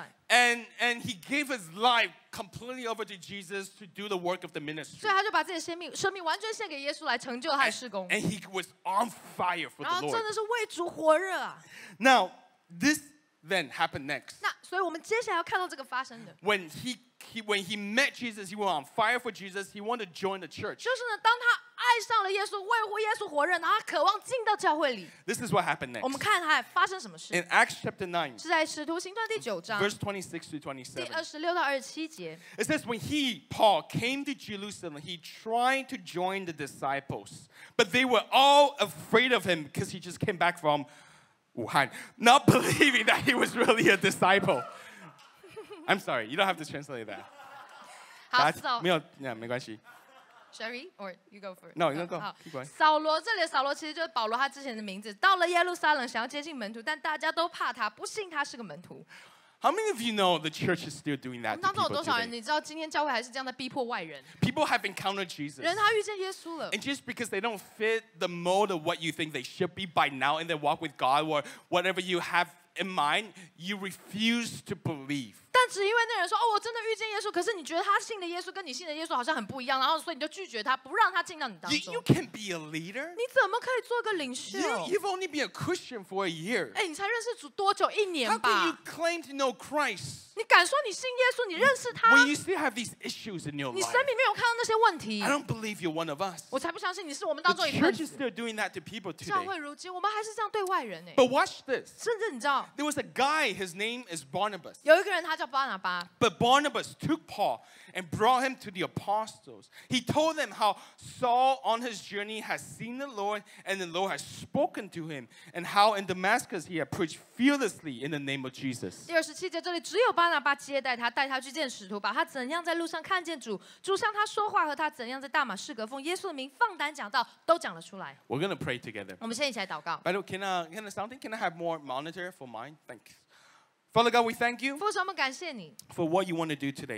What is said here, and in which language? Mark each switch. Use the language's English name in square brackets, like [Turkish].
[English] And he gave his life completely over to Jesus to do the work of the ministry. [Chinese] 所以他就把自己的生命完全献给耶稣来成就他的事工。 [English] And he was on fire for the Lord. [Chinese] 然后真的是为主火热啊。 [English] Now this then happened next. [Chinese] 那所以我们接下来要看到这个发生的。 [English] When he met Jesus, he was on fire for Jesus. He wanted to join the church. [Chinese] 就是呢，当他爱上了耶稣，为耶稣火热，然后他渴望进到教会里。 [English] This is what happened next. [Chinese] 我们看他发生什么事。 [English] In Acts chapter 9, [Chinese] 是在使徒行传第九章 [English] ，verse 26 to 27, [Chinese] 第二十六到二十七节。 [English] It says when he Paul came to Jerusalem, he tried to join the disciples, but they were all afraid of him because he just came back from Wuhan, not believing that he was really a disciple. I'm sorry, you don't have to translate that. [Chinese] 好，知道没有，那没关系。 [English] Sherry, or you go for it. No, you go. [Chinese] 扫罗这里的扫罗其实就是保罗他之前的名字。到了耶路撒冷，想要接近门徒，但大家都怕他，不信他是个门徒。 [English] How many of you know the church is still doing that? [Chinese] 当中有多少人你知道今天教会还是这样在逼迫外人 [English] ？People have encountered Jesus. [Chinese] 人他遇见耶稣了。 [English] And just because they don't fit the mold of what you think they should be by now in their walk with God or whatever you have in mind, you refuse to believe. [Chinese] 但只因为那人说哦，我真的遇见耶稣，可是你觉得他信的耶稣跟你信的耶稣好像很不一样，然后所以你就拒绝他，不让他进到你当中。 [English] You can be a leader. [Chinese] 你怎么可以做个领袖 [English] ？You've only been a Christian for a year. [Chinese] 哎，你才认识主多久？一年吧。 [English] How can you claim to know Christ? [Chinese] 你敢说你信耶稣，你认识他 [English] ？When you still have these issues in your life, [Chinese] 你生命没有看到那些问题。 I don't believe you're one of us. 我才不相信你是我们当中一份子。 [English] The church is still doing that to people today. [Chinese] 教会如今，我们还是这样对外人哎。 [English] But watch this. [Chinese] 甚至你知道 [English] ，There was a guy. His name is Barnabas. [Chinese] 有一个人他叫。 [English] But Barnabas took Paul and brought him to the apostles. He told them how Saul on his journey has seen the Lord and the Lord has spoken to him and how in Damascus he had preached fearlessly in the name of Jesus. [Chinese] 第二十七节这里只有巴拿巴接待他带他去见使徒把他怎样在路上看见主主向他说话和他怎样在大马士革奉耶稣的名放胆讲道都讲了出来。 [English] We're going to pray together. [Chinese] 我们先一起来祷告。 [English] By the way, can I have more monitor for mine? Thank you. Father God, we thank you for what you want to do today.